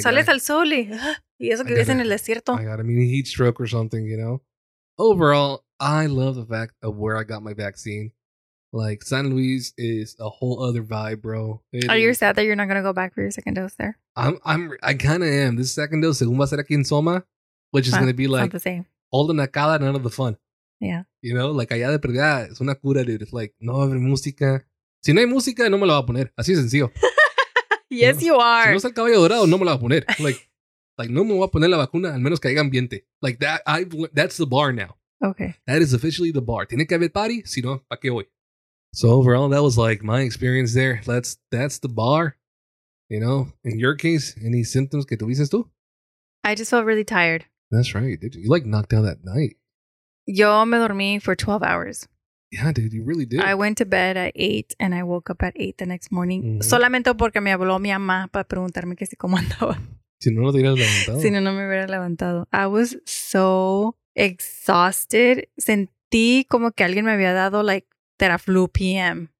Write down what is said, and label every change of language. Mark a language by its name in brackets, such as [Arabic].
[Spanish] Sales al sol y eso que vives en el desierto. [English] I got a mini heat stroke or something, you know. Overall, I love the fact of where I got my vaccine. Like, San Luis is a whole other vibe, bro. You're sad that you're not going to go back for your second dose there? I kind of am. This second dose, [Spanish] según va a ser aquí en Soma, [English] which is going to be like, not the same. All the nakada, none of the fun. Yeah. You know, like, [Spanish] allá de perdida, es una cura, dude. [English] It's like, [Spanish] no va a haber música. Si no hay música, no me la va a poner. Así de sencillo. [English] Yes, you are. [Spanish] Si no es el caballo dorado, no me la va a poner. Like, no me voy a poner la vacuna, al menos que haya ambiente. [English] Like, that's the bar now. Okay. That is officially the bar. [Spanish] Tiene que haber party, si no, ¿pa qué voy? [English] So overall, that was like my experience there. That's the bar, you know. In your case, any symptoms [Spanish] que tuviste tú? [English] I just felt really tired. That's right. Did you like knocked out that night? [Spanish] Yo me dormí [English] for 12 hours. Yeah, dude, you really did. I went to bed at 8 and I woke up at 8 the next morning. [Spanish] Solamente porque me habló mi mamá para preguntarme que si cómo andaba. Si no, no te hubieras levantado. Si no, no me hubiera levantado. [English] I was so exhausted. [Spanish] Sentí como que alguien me había dado like Teraflu PM.